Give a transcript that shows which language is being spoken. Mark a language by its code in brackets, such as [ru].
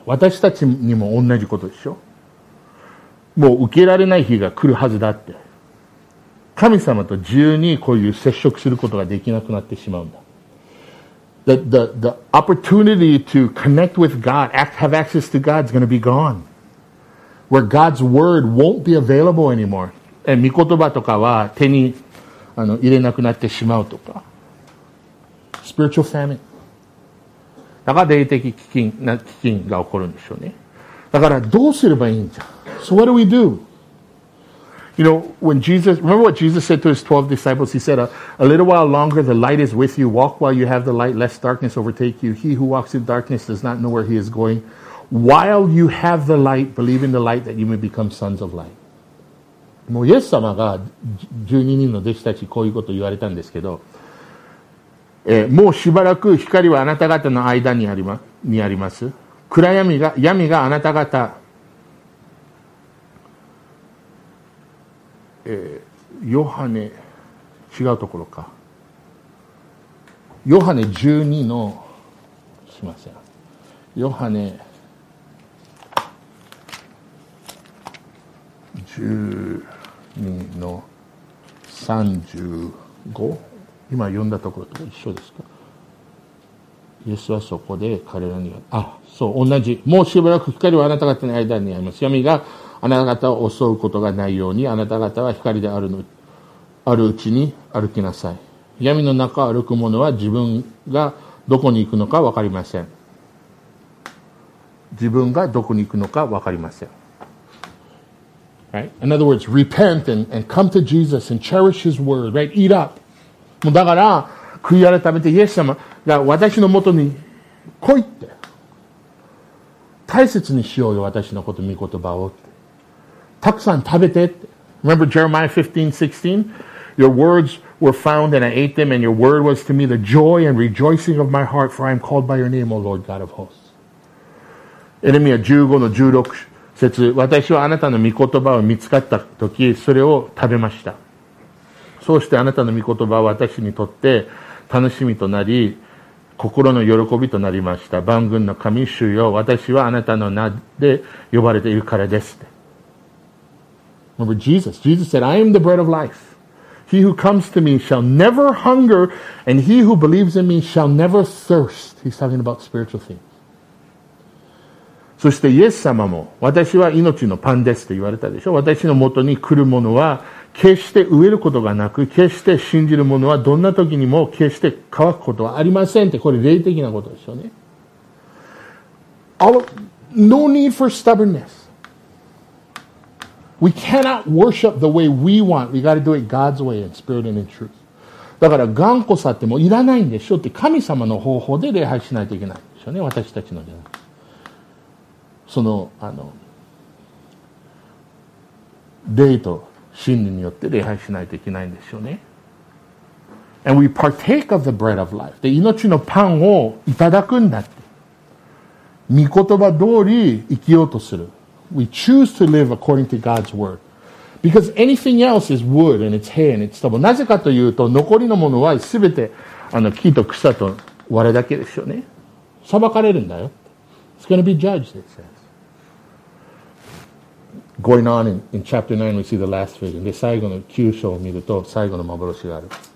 [ja] 私たちにも同じことでしょ。もう受けられない日が来るはずだって。神様と自由にこういう接触することができなくなってしまうんだ。 [en] The opportunity to connect with God, have access to God is going to be gone. Where God's word won't be available anymore. [ja] And 御言葉とかは手に入れなくなってしまうとか。 [en] Spiritual famine. [ja] だから霊的飢饉が起こるんでしょうね。だからどうすればいいんじゃん。 [en] So what do we do? You know, when Jesus, remember what Jesus said to his 12 disciples? He said, a little while longer the light is with you. Walk while you have the light, lest darkness overtake you. He who walks in darkness does not know where he is going. While you have the light, believe in the light that you may become sons of light. [ja] もうイエス様が12人の弟子たちこういうこと言われたんですけど、もうしばらく光はあなた方の間にあります。暗闇が、闇があなた方、ヨハネ、違うところか。ヨハネ12の、すいません。ヨハネ12の35、今読んだところと一緒ですか。イエスはそこで彼らに、あ、そう、同じ。もうしばらく光はあなた方の間にあります。闇があなた方を襲うことがないように、あなた方は光であるの、あるうちに歩きなさい。闇の中を歩く者は自分がどこに行くのか分かりません。自分がどこに行くのか分かりません。 [en] Right? In other words, repent and come to Jesus and cherish his word. Right? Eat up. [ja] もうだから、悔い改めてイエス様が私のもとに来いって。大切にしようよ、私のこと、御言葉をって。たくさん食べてって。 [en] Remember Jeremiah 15:16? Your words were found and I ate them, and your word was to me the joy and rejoicing of my heart, for I am called by your name, O Lord God of hosts. [ja] エレミア15:16、私はあなたの御言葉を見つかったとき、それを食べました。そうしてあなたの御言葉は私にとって楽しみとなり、心の喜びとなりました。万軍の神主よ、私はあなたの名で呼ばれているからです。 [en] Remember Jesus. Jesus said, I am the bread of life. He who comes to me shall never hunger, and he who believes in me shall never thirst. He's talking about spiritual things. [ja] そしてイエス様も、私は命のパンですって言われたでしょ。私のもとに来る者は決して飢えることがなく、決して信じる者はどんな時にも決して乾くことはありませんって、これ霊的なことですよね。 [en] No need for stubbornness. We cannot worship the way we want. We got to do it God's way in spirit and in truth. [ja] だから頑固さってもういらないんでしょって、神様の方法で礼拝しないといけないんでしょうね、私たちのじゃない。その、霊と真理によって礼拝しないといけないんですよね。 [en] And we partake of the bread of life. [ja] で、命のパンをいただくんだって。御言葉通り生きようとする。 [en] We choose to live according to God's word. Because anything else is wood and it's hay and it's stubble. [ja] なぜかというと、残りのものは全て木と草と藁だけですよね。裁かれるんだよ。 [en] It's going to be judged, it says. Going on in chapter 9, we see the last vision. [ja] で、最後の九章を見ると、最後の幻がある。